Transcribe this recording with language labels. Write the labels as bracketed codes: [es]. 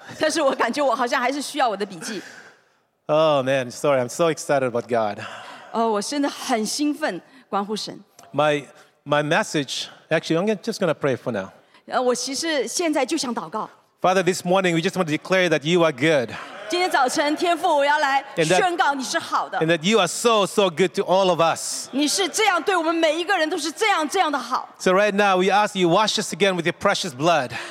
[zh] 但是我感觉我好像还是需要我的笔记。 [en] Oh man, sorry, I'm so excited about God. [zh] 哦，我真的很兴奋，关乎神。 [en] My message, actually, I'm just going to pray for now. [zh] 我其实现在就想祷告。 [en] Father, this morning, we just want to declare that you are good. [zh] 今天早晨，天父，我要来宣告你是好的。 [en] And that you are so, so good to all of us. [zh] 你是这样对我们每一个人都是这样这样的好。 [en] So right now, we ask you, wash us again with your precious blood.